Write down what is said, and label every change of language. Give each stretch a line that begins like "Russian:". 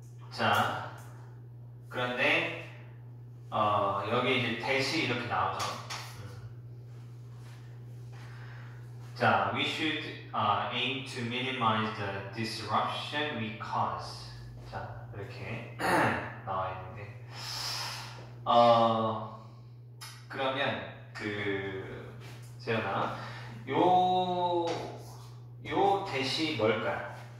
Korean: 자, 그런데 여기 이제 대시 이렇게 나오죠.
English: 자, we should aim to minimize the disruption we cause.
Korean: 자, 이렇게 나와 있는데, 그러면 그 재현아, 요 대시 뭘까요?